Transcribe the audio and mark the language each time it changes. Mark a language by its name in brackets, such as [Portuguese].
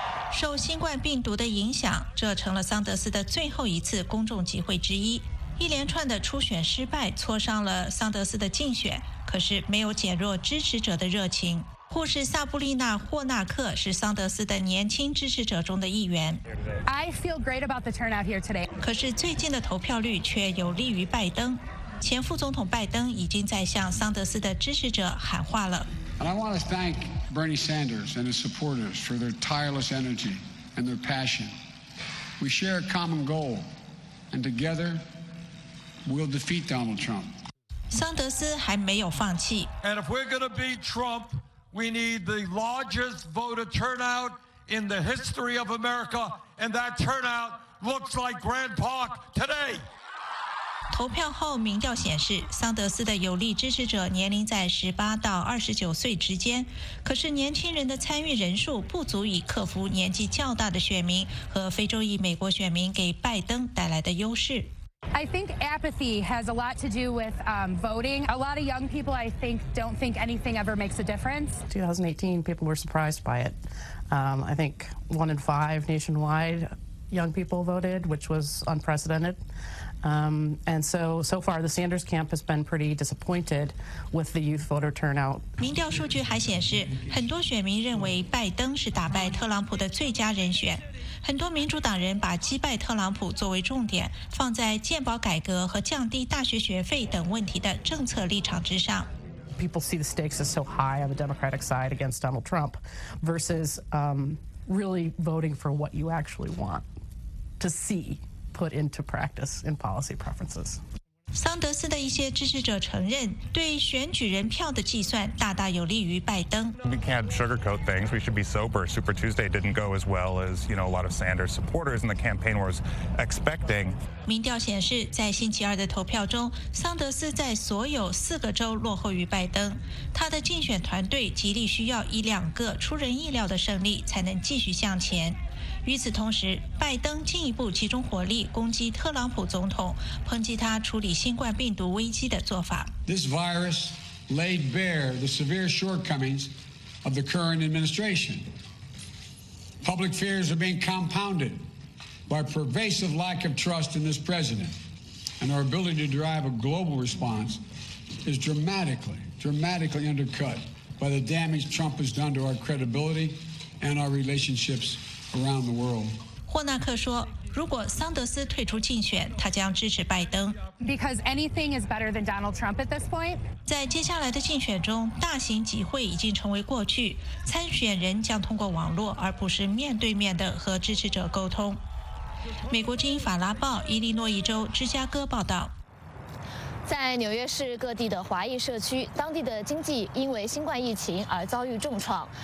[Chinese] 受新冠病毒的影响，这成了桑德斯的最后一次公众集会之一。一连串的初选失败挫伤了桑德斯的竞选，可是没有减弱支持者的热情。护士萨布丽娜·霍纳克是桑德斯的年轻支持者中的一员。 [English] I feel great about the turnout here today. [Chinese] 可是最近的投票率却有利于拜登。前副总统拜登已经在向桑德斯的支持者喊话了。 [English] And I want to thank Bernie Sanders and his supporters for their tireless energy and their passion. We share a common goal, and together. We'll defeat Donald Trump. [Chinese] 桑德斯还没有放弃。 [English] And if we're going to beat Trump, we need the largest voter turnout in the history of America, and that turnout looks like Grand Park today. [Chinese] 投票后民调显示，桑德斯的有力支持者年龄在18到29岁之间，可是年轻人的参与人数不足以克服年纪较大的选民和非洲裔美国选民给拜登带来的优势。 [English] I think apathy has a lot to do with voting. A lot of young people, I think, don't think anything ever makes a difference. 2018, people were surprised by it. I think 1 in 5 nationwide young people voted, which was unprecedented. And so far, the Sanders camp has been pretty disappointed with the youth voter turnout. [Chinese] 民调数据还显示，很多选民认为拜登是打败特朗普的最佳人选。很多民主党人把击败特朗普作为重点，放在健保改革和降低大学学费等问题的政策立场之上。 [English] People see the stakes as so high on the Democratic side against Donald Trump versus really voting for what you actually want to see put into practice in policy preferences. [Chinese] 桑德斯的一些支持者承认，对选举人票的计算大大有利于拜登。 [English] We can't sugarcoat things. We should be sober. Super Tuesday didn't go as well as, you know, a lot of Sanders supporters in the campaign were expecting. [Chinese] 民调显示，在星期二的投票中，桑德斯在所有4个州落后于拜登。他的竞选团队极力需要一两个出人意料的胜利才能继续向前。与此同时，拜登进一步集中火力攻击特朗普总统，抨击他处理新冠病毒危机的做法。 [English] This virus laid bare the severe shortcomings of the current administration. Public fears are being compounded by pervasive lack of trust in this president, and our ability to drive a global response is dramatically undercut by the damage Trump has done to our credibility and our relationships. Around the world. [Chinese] 霍纳克说，如果桑德斯退出竞选，他将支持拜登。 [English] Because anything is better than Donald Trump at this point. [Chinese] 在接下来的竞选中，大型集会已经成为过去，参选人将通过网络而不是面对面的和支持者沟通。美国之音法拉报，伊利诺伊州芝加哥报道。在纽约市各地的华裔社区，当地的经济因为新冠疫情而遭遇重创。